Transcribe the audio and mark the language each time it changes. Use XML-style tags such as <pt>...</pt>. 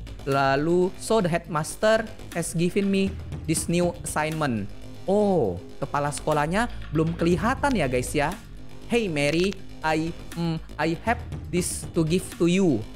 <en>Lalu, so the headmaster has given me this new assignment.</en> <id>Oh, kepala sekolahnya belum kelihatan ya, guys, ya.</id> <en>Hey, Mary, I have this to give to you.</en>